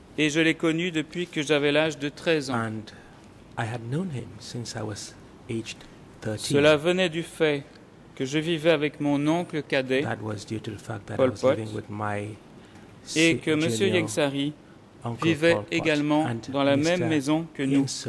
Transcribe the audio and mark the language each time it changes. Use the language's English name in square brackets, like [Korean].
[French] et je l'ai connu depuis que j'avais l'âge de 13 ans. [English] And I had known him since I was aged 13. [French] Cela venait du fait que je vivais avec mon oncle cadet, [English] that was due to the fact that Pol Pot, I was living with my [French] et que M. Yang Sari vivait également dans la même maison que nous.